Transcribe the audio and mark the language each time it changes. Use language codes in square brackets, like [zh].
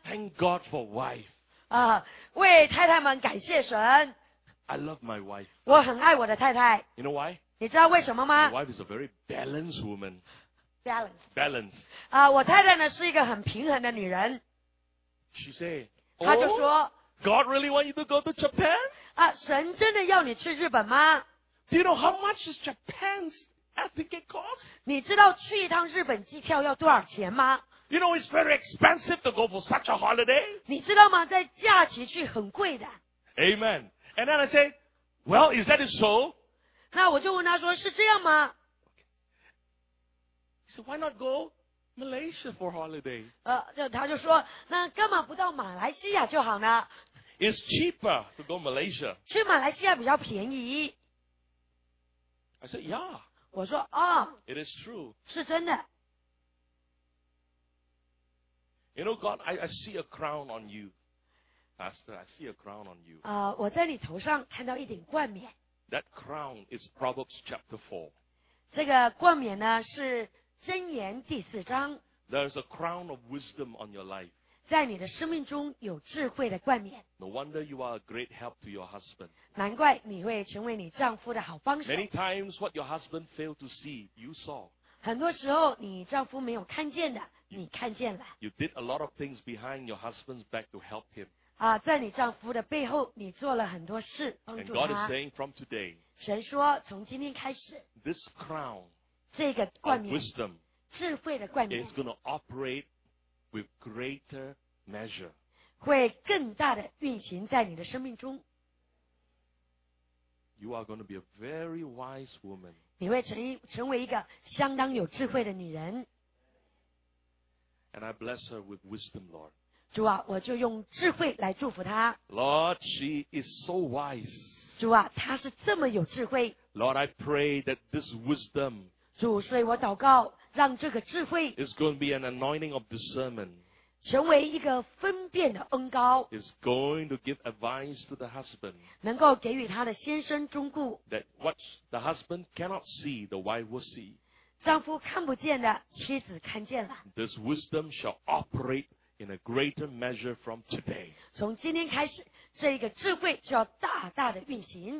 [en] Thank God for wife. [zh] 啊，为太太们感谢神。 [en] I love my wife. [zh] 我很爱我的太太。 [en] You know why? [zh] 你知道为什么吗？ [en] My wife is a very balanced woman. Balanced. Balanced. [zh] 啊，我太太呢是一个很平衡的女人。 [en] She said, [zh] 他就说 [en] oh, God really want you to go to Japan? [zh] 啊，神真的要你去日本吗？ [en] Do you know how much is Japan's air ticket cost? [zh] 你知道去一趟日本机票要多少钱吗？ [en] You know, it's very expensive to go for such a holiday. [zh] 你知道吗？在假期去很贵的。 [en] Amen. And then I say, well, is that so? [zh] 那我就问他说，是这样吗？ [en] He said, why not go Malaysia for holiday? [zh] 他就说，那干嘛不到马来西亚就好呢？ [en] It's cheaper to go Malaysia. [zh] 去马来西亚比较便宜。 [en] I said, yeah. [zh] 我说，哦。 [en] It is true. [zh] 是真的。 [en] You know, God, I see a crown on you. Pastor, I see a crown on you. [zh] 我在你头上看到一顶冠冕。 [en] That crown is Proverbs chapter 4. [zh] 这个冠冕呢是箴言第四章。 [en] There is a crown of wisdom on your life. [zh] 在你的生命中有智慧的冠冕。 [en] No wonder you are a great help to your husband. [zh] 难怪你会成为你丈夫的好帮手。 [en] Many times what your husband failed to see, you saw. [zh] 很多时候你丈夫没有看见的。你看见了。 [en] You did a lot of things behind your husband's back to help him. [zh] 在你丈夫的背后，你做了很多事帮助他。 [en] And God is saying from today. [zh] 神说从今天开始。 [en] This crown. [zh] 这个冠冕。 [en] Of wisdom. [zh] 智慧的冠冕。 [en] Is going to operate with greater measure. [zh] 会更大的运行在你的生命中。 [en] You are going to be a very wise woman. [zh] 你会成为一个相当有智慧的女人。 [en] And I bless her with wisdom, Lord. [zh] 主啊，我就用智慧来祝福她。 [en] Lord, she is so wise. [zh] 主啊，她是这么有智慧。 [en] Lord, I pray that this wisdom. [zh] 主，所以我祷告，让这个智慧 [en] is going to be an anointing of discernment. [zh] 成为一个分辨的恩膏。 [en] Is going to give advice to the husband. [zh] 能够给予她的先生忠顾。 [en] That what the husband cannot see, the wife will see. [zh] 丈夫看不见的，妻子看见了。 [en] This wisdom shall operate in a greater measure from today. [zh] 从今天开始，这一个智慧就要大大的运行。